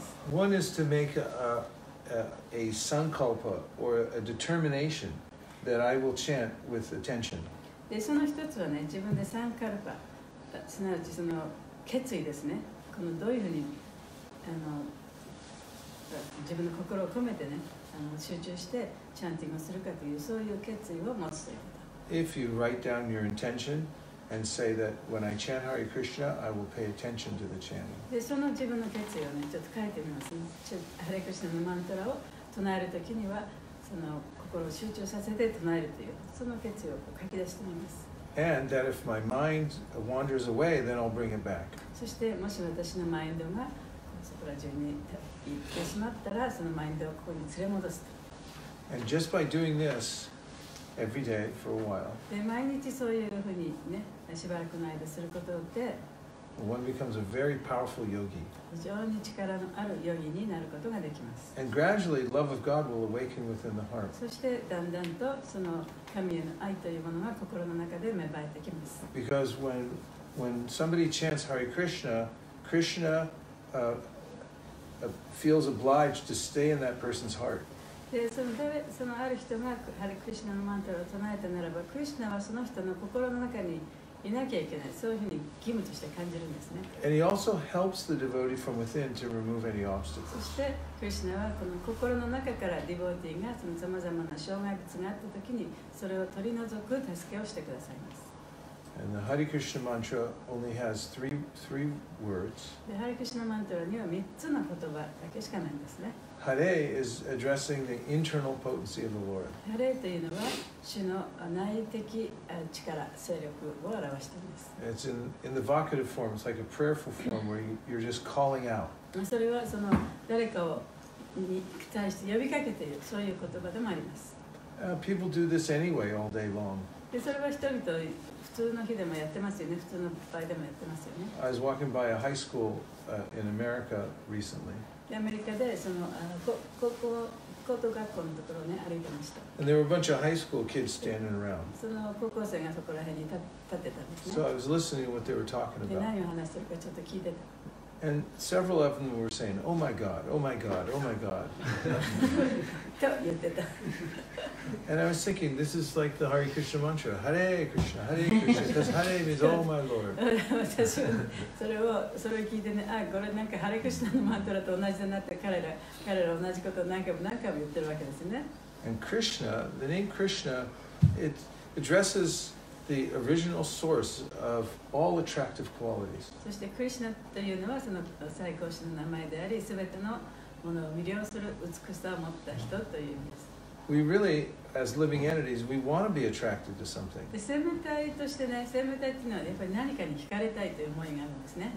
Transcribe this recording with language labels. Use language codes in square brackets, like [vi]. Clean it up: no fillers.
[en] One is to make a a sankalpa or a determination that I will chant with attention. [ja] で、その一つはね、自分でサンカルパ、すなわちその決意ですね。このどういうふうに自分の心を込めてね、集中してチャンティングをするかという、そういう決意を持つということ。 [en] If you write down your intention and say that when I chant Hare Krishna, I will pay attention to the chanting. [ja] で、その自分の決意をね、ちょっと書いてみますね。ハレクリシナのマントラを唱えるときには、その心を集中させて唱えるという、その決意を書き出してみます。 [en] And that if my mind wanders away, then I'll bring it back. [ja] そして、もし私のマインドがそこら中に行ってしまったら、そのマインドをここに連れ戻すと。 [en] And just by doing this, every day for a while, [ja] で、毎日そういうふうにね、しばらくの間することで、 [en] One becomes a very powerful yogi. [ja] 非常に力のあるヨギになることができます。 [en] And gradually, love of God will awaken within the heart. [ja] そしてだんだんとその神への愛というものが心の中で芽生えてきます。 [en] Because when somebody chants Hare Krishna, Krishna feels obliged to stay in that person's heart. [ja] で、そのある人がハレクリシナのマントラを唱えたならば、クリシナはその人の心の中にいなきゃいけない、そういうふうに義務として感じるんですね。 [en] And he also helps the devotee from within to remove any obstacles. [ja] そして、クリシナはこの心の中からディボーティーがその様々な障害物があったときに、それを取り除く助けをしてくださいます。 [en] And the Hare Krishna mantra only has three words. [ja] で、ハレクリシナマントラには3つの言葉だけしかないんですね。 [en] Hare is addressing the internal potency of the Lord. [ja] Hare というのは主の内的力、勢力を表しています。 [en] It's in the vocative form. It's like a prayerful form where you're just calling out. [ja] それはその誰かに対して呼びかけている、そういう言葉でもあります。 [en] People do this anyway all day long. [ja] で、それは人々普通の日でもやってますよね。普通の場合でもやってますよね。 [en] I was walking by a high school in America recently. [ja] アメリカでその高等学校のところをね歩いてました。 [en] And there were a bunch of high school kids standing around. [ja] その高校生がそこら辺に立ってたんですね。 [en] So I was listening to what they were talking about. [ja] で、何を話してるかちょっと聞いてた。 [en] And several of them were saying, "Oh my God, oh my God, oh my God." [ja] と言ってた。 [en] And I was thinking, this is like the Hare Krishna mantra, Hare Krishna, Hare Krishna, because Hare means all my Lord. [ja] 私はそれを聞いてね、あ、これなんかハレクリシナのマントラと同じだなって彼ら同じことを何回も言ってるわけですね。 [en] And Krishna, the name Krishna, it addresses the original source of all attractive qualities. [ja] そしてクリシナというのはその最高神の名前であり、すべてのものを魅了する美しさを持った人という意味です。 [en] We really, as living entities, we want to be attracted to something. [ja] 生命体としてね、生命体っていうのはやっぱり何かに惹かれたいという思いがあるんですね。